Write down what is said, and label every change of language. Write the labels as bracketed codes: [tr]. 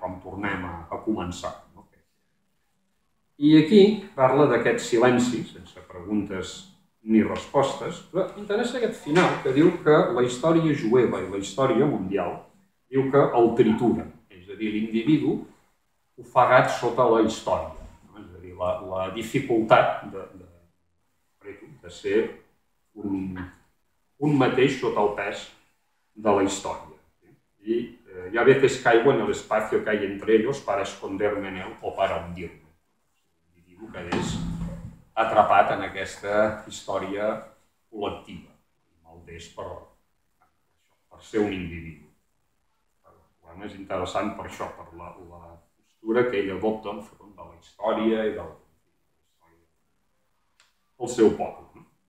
[ca] Com tornem a començar, no? I aquí parla d'aquest silenci, sense preguntes ni respostes, però m'interessa aquest final que diu que la història jueva i la història mundial diu que el tritura, és a dir, l'individu ofegat sota la història, no? És a dir, la dificultat de ser un mateix sota el pes de la història. [es] I hi ha veces caigo en el espacio que hay entre ellos para esconderme en él o para hundirme. [ca] L'individu que és atrapat en aquesta història col·lectiva. Mal d'és per ser un individu. Però és interessant per això, per la postura que ell adopta enfront de la història i de la història del seu poble.